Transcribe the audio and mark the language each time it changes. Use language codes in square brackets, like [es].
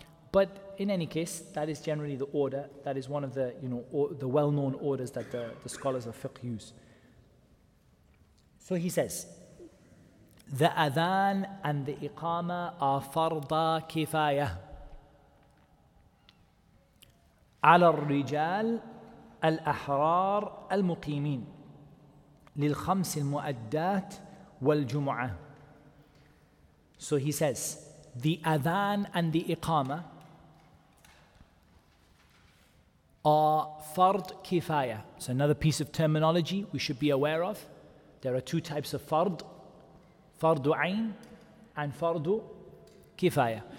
[en] But in any case, that is generally the order. That is one of the, you know, the well-known orders that the scholars of fiqh use. So he says, the adhan and the iqamah are farda kifaya. [ar] على الرجال الأحرار المقيمين للخمس المؤدات والجمعة. [en] So he says, the adhan and the iqama are fard kifaya. So another piece of terminology we should be aware of. There are two types of fard: fardu ayn and fardu kifaya.